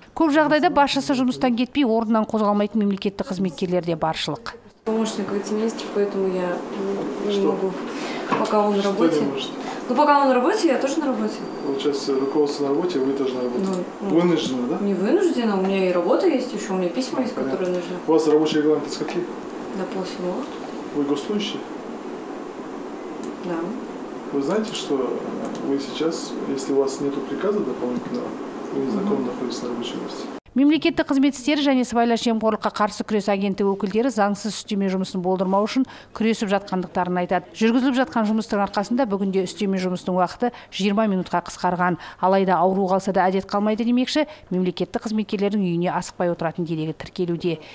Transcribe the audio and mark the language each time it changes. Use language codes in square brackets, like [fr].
[kk] Көп жағдайда басшысы жұмыстан кетпей, орнынан қозғалмайтын мемлекеттік қызметкерлер де баршылық. [ru] Помощник вице-министр, поэтому я не могу, пока он на работе. Ну пока он на работе, я тоже на работе. Вот сейчас руководство на работе, вы тоже на работе. Ну, вынуждена, да? Не вынуждена, у меня и работа есть еще, у меня письма есть, понятно, которые нужны. У вас рабочие регламенты с какие? До полседьмого. Вы госслужащий? Да. Вы знаете, что вы сейчас, если у вас нет приказа дополнительного, вы незаконно находитесь на рабочем месте. [kk] Мемлекеттік қызмет істері және сыбайлас жемқорлыққа қарсы күрес агенттігі өкілдері заңсыз үстеме жұмысын болдырмау үшін күресіп жатқандықтарын айтады. Жүргізіліп жатқан жұмыстың арқасында бүгінде үстеме жұмыстың уақыты 20 минутқа қысқарған. Алайда ауру қалса да әдет қалмайды демекші, мемлекеттік қызметкерлердің үйіне асықпай отыратын дерегі тіркелуде.